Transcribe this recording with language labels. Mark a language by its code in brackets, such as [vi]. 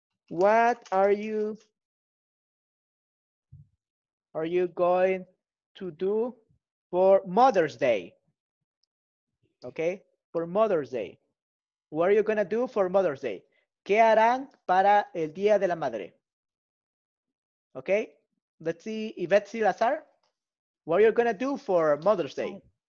[en] What are you going to do for Mother's Day? Okay, for Mother's Day. What are you going to do for Mother's Day? [es] ¿Qué harán para el Día de la Madre? [en] Okay, let's see, Yvette Silazar. What are you going to do for Mother's Day?